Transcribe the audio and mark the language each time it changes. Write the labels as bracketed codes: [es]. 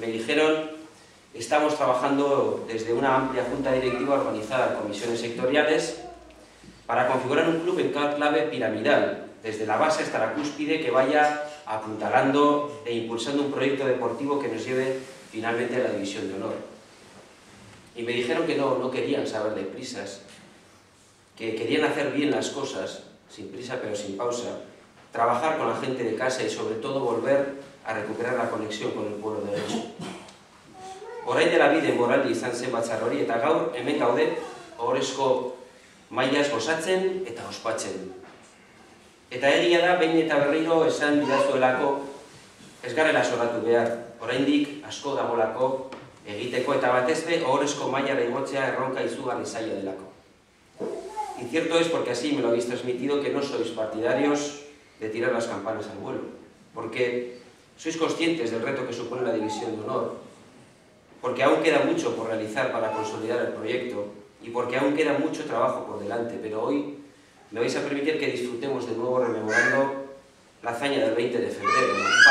[es] Me dijeron: estamos trabajando desde una amplia junta directiva organizada en comisiones sectoriales para configurar un club en cada clave piramidal, desde la base hasta la cúspide, que vaya apuntalando e impulsando un proyecto deportivo que nos lleve finalmente a la división de honor. Y me dijeron que no querían saber de prisas, que querían hacer bien las cosas, sin prisa pero sin pausa, trabajar con la gente de casa y sobre todo volver a recuperar la conexión con el pueblo de Getxo. [eu] Orain dela bide moraldi izan zen batzar hori, eta gaur hemen gaude ohorezko mailaz gozatzen eta ospatzen. Eta egia da, behin eta berriro esan didazuelako, ez garela zoratu behar, oraindik asko dagoelako egiteko, eta batez be ohorezko mailara igotzea erronka izugarri zaila delako. [es] Incierto es, porque así me lo habéis transmitido, que no sois partidarios de tirar las campanas al vuelo, porque sois conscientes del reto que supone la división de honor, porque aún queda mucho por realizar para consolidar el proyecto y porque aún queda mucho trabajo por delante, pero hoy me vais a permitir que disfrutemos de nuevo rememorando la hazaña del 20 de febrero, ¿no?